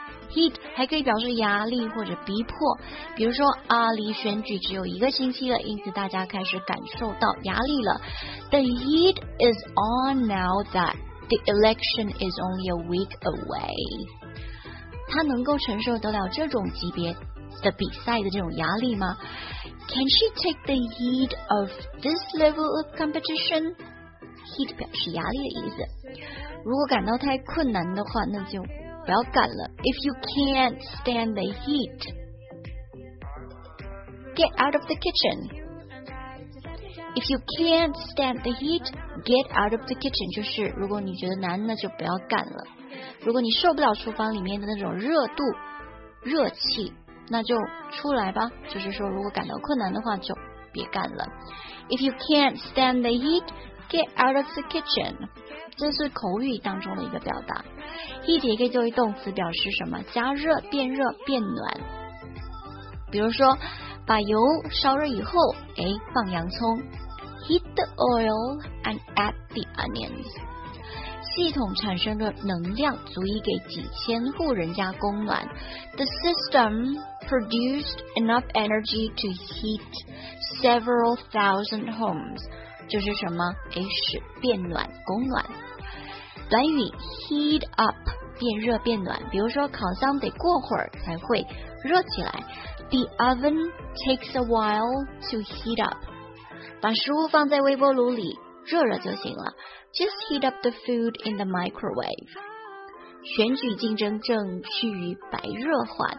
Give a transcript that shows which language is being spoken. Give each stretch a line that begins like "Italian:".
Chinese: Heat 还可以表示压力或者逼迫比如说啊，离选举只有一个星期了因此大家开始感受到压力了
English: The heat is on now that the election is only a week away.
Chinese: 她能够承受得了这种级别的比赛的这种压力吗?
English: Can she take the heat of this level of competition?
Chinese: Heat 表示压力的意思。如果感到太困难的话,那就不要干了。
English: If you can't stand the heat, get out of the kitchen. If you can't stand the heat, get out of the kitchen.
Chinese: 就是如果你觉得难，那就不要干了。如果你受不了厨房里面的那种热度、热气，那就出来吧。就是说，如果感到困难的话，就别干了。
English: If you can't stand the heat, get out of the kitchen.
Chinese: 这是口语当中的一个表达。 Heat 也可以作为动词表示什么？加热、变热、变暖。比如说把油烧热以后放洋葱
English: Heat the oil and add the onions
Chinese: 系统产生的能量足以给几千户人家供暖
English: The system produced enough energy to heat several thousand homes
Chinese: 就是什么使变暖供暖短语 heat up 变热变暖比如说烤箱得过会儿才会热起来
English: The oven takes a while to heat up.
Chinese: 把食物放在微波炉里热热就行了。
English: Just heat up the food in the microwave.
Chinese: 选举竞争正趋于白热化。